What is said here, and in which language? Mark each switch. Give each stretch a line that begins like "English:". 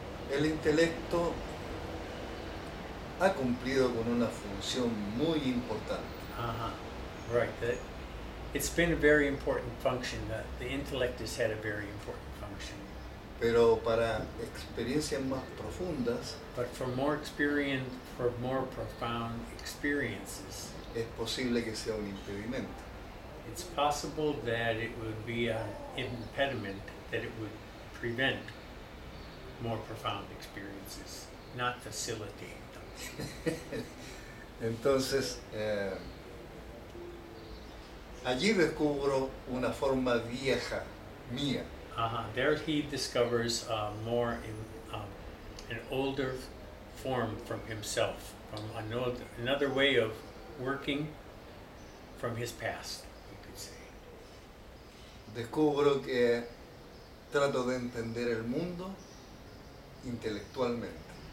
Spanish: El intelecto ha cumplido con una función muy importante.
English: Right. It's been a very important function. The intellect has had a very important function.
Spanish: Pero para experiencias más profundas,
English: but for more profound experiences,
Spanish: es posible que sea un impedimento.
English: It's possible that it would be an impediment, that it would prevent more profound experiences, not facilitate them.
Spanish: Entonces, allí descubro una forma vieja mía.
English: There he discovers an older form from himself, from another way of working from his past, you could say.
Spanish: Descubro que trato de entender el mundo intelectualmente.